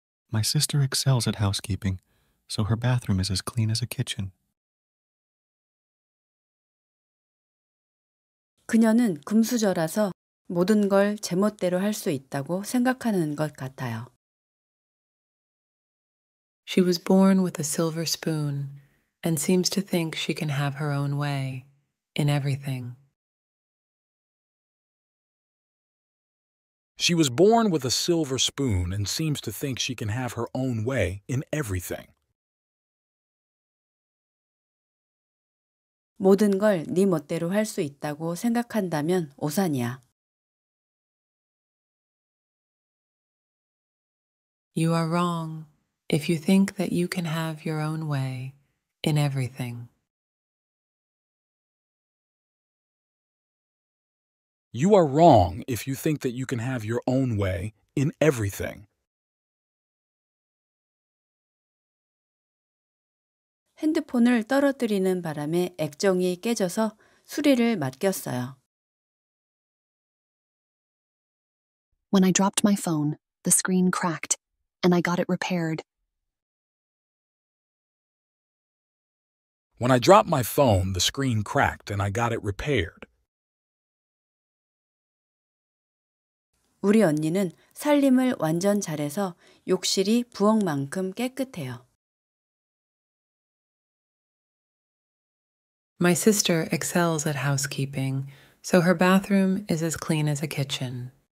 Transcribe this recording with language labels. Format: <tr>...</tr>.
<en>My sister excels at housekeeping, so her bathroom is as clean as a kitchen.</en> <ko>그녀는 금수저라서 모든 걸 제멋대로 할 수 있다고 생각하는 것 같아요.</ko> <en>She was born with a silver spoon and seems to think she can have her own way in everything. She was born with a silver spoon and seems to think she can have her own way in everything.</en> <ko>모든 걸 네 멋대로 할 수 있다고 생각한다면 오산이야.</ko> <en>You are wrong if you think that you can have your own way in everything. You are wrong if you think that you can have your own way in everything.</en> <ko>핸드폰을 떨어뜨리는 바람에 액정이 깨져서 수리를 맡겼어요.</ko> <en>When I dropped my phone, the screen cracked. And I got it repaired. When I dropped my phone, the screen cracked and I got it repaired.</en> <ko>우리 언니는 살림을 완전 잘해서 욕실이 부엌만큼 깨끗해요.</ko> <en>My sister excels at housekeeping, so her bathroom is as clean as a kitchen.</en>